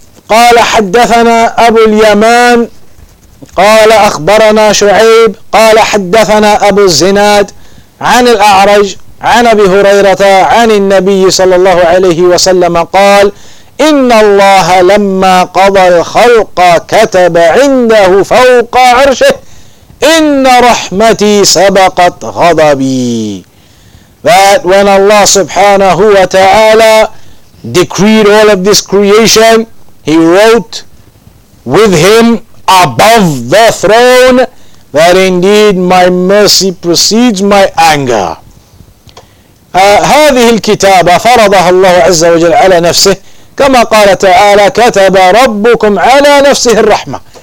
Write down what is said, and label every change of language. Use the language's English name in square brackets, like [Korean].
[Arabic] قال حدثنا أبو اليمان قال أخبرنا شعيب قال حدثنا أبو الزناد عن الأعرج عن أبي هريرة عن النبي صلى الله عليه وسلم قال إن الله لما قضى الخلق كتب عنده فوق عرشه إن رحمتي سبقت غضبي. [English] That when Allah سبحانه وتعالى decreed all of this creation, He wrote with Him above the throne that indeed my mercy precedes my anger. [Arabic] هذه الكتابة فرضها الله عز وجل على نفسه كما قال تعالى كتب ربكم على نفسه الرحمة.